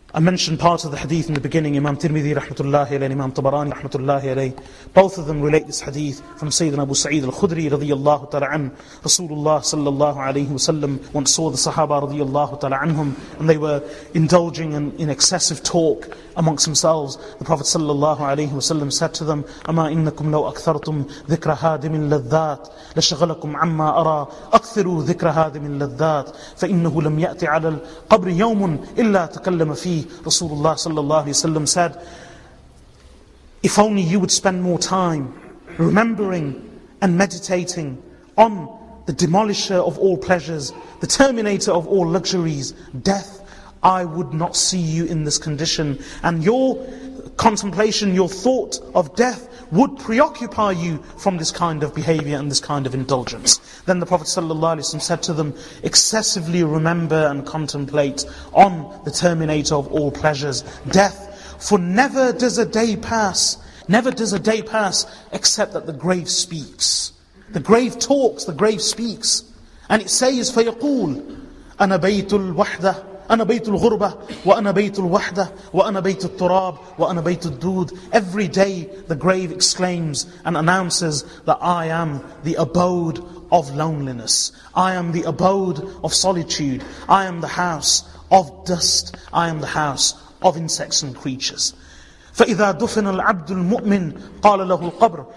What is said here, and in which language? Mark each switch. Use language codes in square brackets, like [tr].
[en] I mentioned part of the hadith in the beginning, Imam Tirmidhi rahmatullahi alayhi, Imam Tabarani rahmatullahi alayhi. Both of them relate this hadith from Sayyidina Abu Sa'id al-Khudri radiyallahu ta'ala an. Rasulullah sallallahu alayhi wa sallam once saw the Sahaba radiyallahu ta'ala anhum, and they were indulging in excessive talk amongst themselves. The Prophet sallallahu alayhi wa sallam said to them, [ar] أَمَا إِنَّكُمْ لَوْ أَكْثَرْتُمْ ذِكْرَ هَادِمٍ لَذَّاتٍ لَشَغَلَكُمْ عَمَّا أَرَى أَكْثِرُوا ذِكْرَ هَادِمٍ لَذَّاتٍ فَإِنَّهُ لَمْ يَأْتِ عَلَى الْقَبْرِ يَوْمٌ إِلَّا تَكَلَّمَ فِيهِ. [en] Rasulullah sallallahu alayhi wa sallam said, if only you would spend more time remembering and meditating on the demolisher of all pleasures, the terminator of all luxuries, death, I would not see you in this condition. And your contemplation, your thought of death would preoccupy you from this kind of behavior and this kind of indulgence. Then the Prophet ﷺ said to them, excessively remember and contemplate on the terminator of all pleasures, death. For never does a day pass, never does a day pass except that the grave speaks. The grave talks, the grave speaks. And it says, [ar] فَيَقُولُ أَنَا بَيْتُ الْوَحْدَةِ أَنَا بَيْتُ الْغُرْبَةِ وَأَنَا بَيْتُ الْوَحْدَةِ وَأَنَا بَيْتُ الْتُرَابِ وَأَنَا بَيْتُ الدُّودِ. [en] Every day the grave exclaims and announces that I am the abode of loneliness. I am the abode of solitude. I am the house of dust. I am the house of insects and creatures. [ar] فَإِذَا دُفِنَ الْعَبْدُ الْمُؤْمِنِ قَالَ لَهُ الْقَبْرُ.